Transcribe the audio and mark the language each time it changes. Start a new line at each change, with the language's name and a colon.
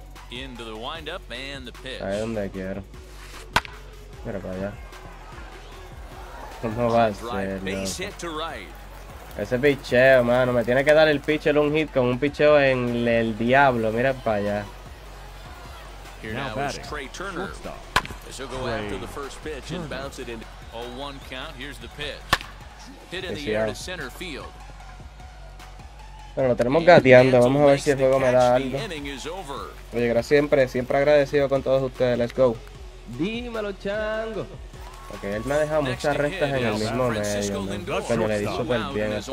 English: Into the wind up and the pitch.
Spanish: Ahí donde quiero. Mira para allá. ¿Cómo va a ser, loco? Ese picheo, mano. Me tiene que dar el pitcher un hit con un picheo en el diablo. Mira para allá.
English: Here now is Trey Turner. As he'll go after the first pitch and bounce it in. 0-1 count. Here's the pitch. Hit in the air to center field.
Spanish: Bueno, lo tenemos gateando. Vamos a ver si el juego me da algo. Oye, gracias siempre. Siempre agradecido con todos ustedes.
English: Let's go.
Spanish: Dímelo, chango. Porque él me ha dejado muchas restas en el mismo medio, ¿no? Pero le di súper bien esta